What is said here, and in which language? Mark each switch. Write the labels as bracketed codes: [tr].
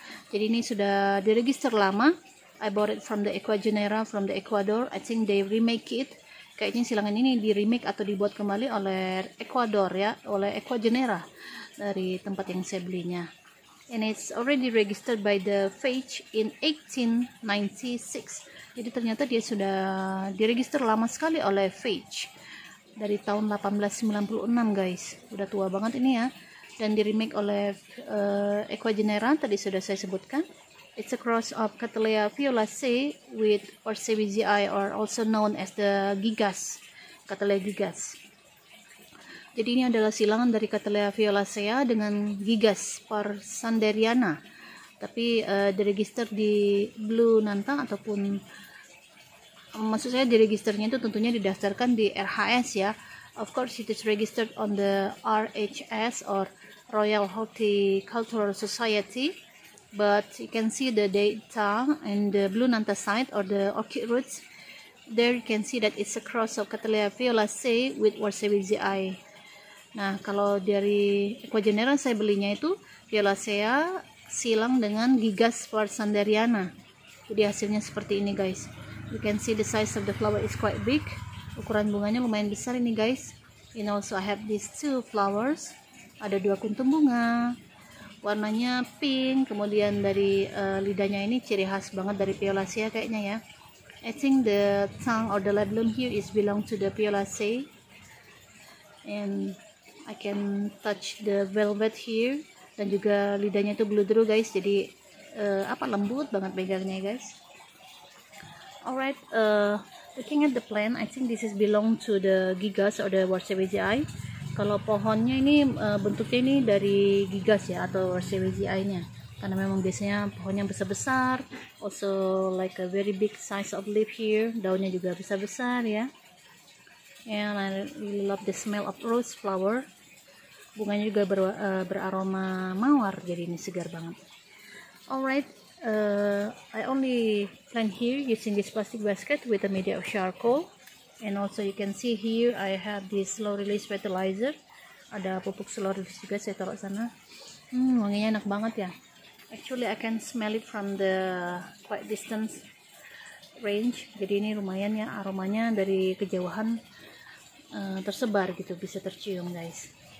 [id] Jadi ini sudah diregister lama. [en] I bought it from the Equagenera from the Ecuador. I think they remake it. [id] Kayaknya silangan ini di remake atau dibuat kembali oleh Ecuador ya, oleh Equagenera dari tempat yang saya belinya. [en] And it's already registered by the FAGE in 1896. [id] Jadi ternyata dia sudah diregister lama sekali oleh FAGE dari tahun 1896 guys. Udah tua banget ini ya. Dan di remake oleh Equagenera tadi sudah saya sebutkan. [en] It's a cross of Cattleya Violacea with Orsevisii, or also known as the Gigas, Cattleya Gigas. [id] Jadi ini adalah silangan dari Cattleya Violacea dengan Gigas par Sanderiana, tapi diregister di Blue Nanta ataupun maksud saya diregisternya itu tentunya didaftarkan di RHS ya. [en] Of course it is registered on the RHS or Royal Horticultural Society. But you can see the data in the Blue Nanta site or the orchid roots. There you can see that it's a cross of Cattleya Violacea with Orsevisii. [id] Nah, kalau dari Equagenera saya belinya itu Violacea silang dengan Gigas par Sanderiana. Jadi hasilnya seperti ini guys. [en] You can see the size of the flower is quite big. [id] Ukuran bunganya lumayan besar ini guys. [en] And also I have these two flowers. [id] Ada 2 kuntum bunga. Warnanya pink, kemudian dari lidahnya ini ciri khas banget dari Violacea kayaknya ya. [en] I think the tongue or the labellum here is belong to the Violacea. And I can touch the velvet here. [id] Dan juga lidahnya itu bludru guys, jadi lembut banget pegangnya guys. [en] Alright, looking at the plant, I think this is belong to the Gigas or the Orsevisii. [id] Kalau pohonnya ini bentuknya ini dari Gigas ya atau Orsevisii nya, karena memang biasanya pohonnya besar-besar, [en] also like a very big size of leaf here, [id] daunnya juga besar-besar ya. [en] And I really love the smell of rose flower, [id] bunganya juga beraroma mawar, jadi ini segar banget. [en] Alright, I only plant here using this plastic basket with a media of charcoal. And also you can see here I have this slow release fertilizer. [id] Ada pupuk slow release juga saya taruh sana. Wanginya enak banget ya. [en] Actually I can smell it from the quite distance range. [id] Jadi ini lumayan ya aromanya dari kejauhan tersebar gitu, bisa tercium guys.